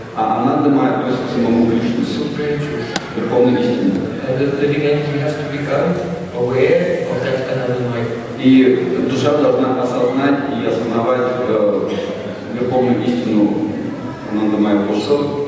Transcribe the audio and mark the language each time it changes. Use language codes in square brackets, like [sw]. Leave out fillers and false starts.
[ru] А Ананда Майя относится к самому Кришне, Верховной Истине. [en] And the living entity has to become aware of that Ананда Майя. [ru] И душа должна осознать и осознавать Верховную Истину Ананда Майя Боса.